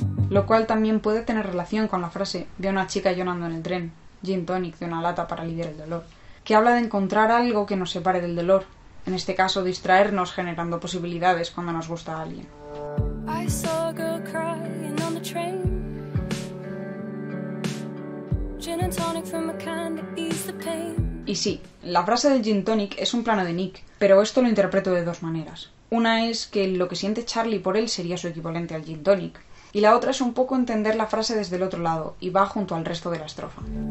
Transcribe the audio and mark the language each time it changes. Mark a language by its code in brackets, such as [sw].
[es] Lo cual también puede tener relación con la frase de una chica llorando en el tren, gin tonic de una lata para aliviar el dolor, que habla de encontrar algo que nos separe del dolor, en este caso distraernos generando posibilidades cuando nos gusta a alguien. [en] I saw a girl crying on the train. Gin and tonic from a can to ease the pain. [es] Y sí, la frase del gin tonic es un plano de Nick, pero esto lo interpreto de dos maneras. Una es que lo que siente Charlie por él sería su equivalente al gin tonic, y la otra es un poco entender la frase desde el otro lado, y va junto al resto de la estrofa.